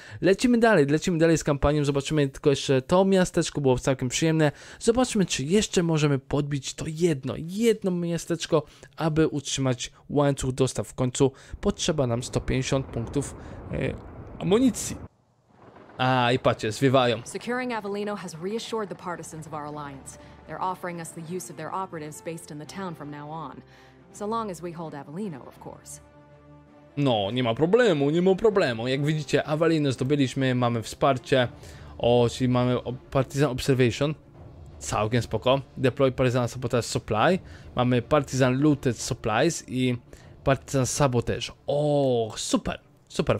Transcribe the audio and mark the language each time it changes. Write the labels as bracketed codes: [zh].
[pl] Lecimy dalej z kampanią, zobaczymy tylko jeszcze to miasteczko, było całkiem przyjemne. Zobaczmy, czy jeszcze możemy podbić to jedno miasteczko, aby utrzymać łańcuch dostaw. W końcu potrzeba nam 150 punktów amunicji. A, i patrzcie, zwiewają. [en] Securing Avellino has reassured the partisans of our alliance. They're offering us the use of their operatives based in the town from now on. So long as we hold Avellino, of course. [pl] No, nie ma problemu, nie ma problemu. Jak widzicie, Avellino zdobyliśmy, mamy wsparcie. O, czyli mamy Partisan Observation. Całkiem spoko. [en] Deploy Partisan Sabotage Supply. [pl] Mamy Partisan Looted Supplies i Partisan Sabotage. O, super, super.